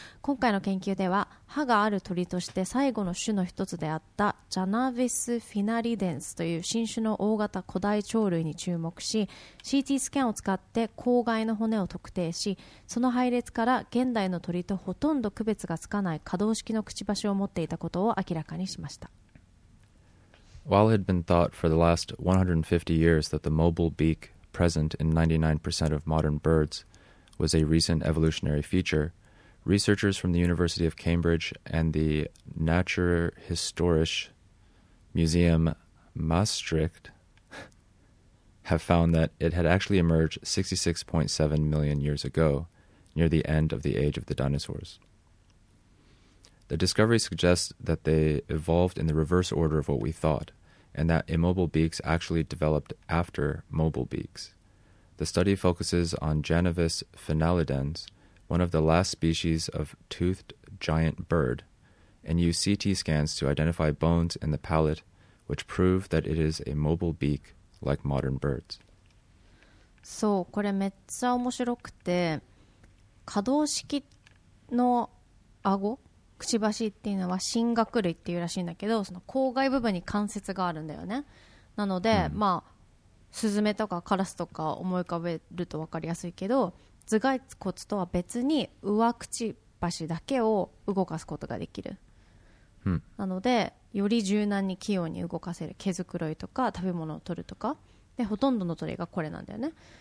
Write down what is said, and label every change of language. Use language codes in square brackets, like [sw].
[ja] 今回の研究では、歯がある鳥として最後の種の一つであったジャナヴィス・フィナリデンスという新種の大型古代鳥類に注目し、 CT スキャンを使って口蓋の骨を特定し、その配列から現代の鳥とほとんど区別がつかない可動式のくちばしを持っていたことを明らかにしました。 [en] While it had been thought for the last 150 years that the mobile beak present in 99% of modern birds was a recent evolutionary feature, researchers from the University of Cambridge and the Naturhistorisch Museum Maastricht have found that it had actually emerged 66.7 million years ago, near the end of the age of the dinosaurs. The discovery suggests that they evolved in the reverse order of what we thought, and that immobile beaks actually developed after mobile beaks. The study focuses on Janavis finalidens, one of the last species of toothed giant bird, and use CT scans to identify bones in the palate, which prove that it is a mobile beak like modern birds. [ja] そう、これめっちゃ面白くて、可動式の顎、くちばしっていうのは真顎類っていうらしいんだけど、その口蓋部分に関節があるんだよね。なので、まあスズメとかカラスとか思い浮かべると分かりやすいけど、頭蓋骨とは別に上くちばしだけを動かすことができる、なのでより柔軟に器用に動かせる、毛づくろいとか食べ物を取るとかで、ほとんどの鳥がこれなんだよね。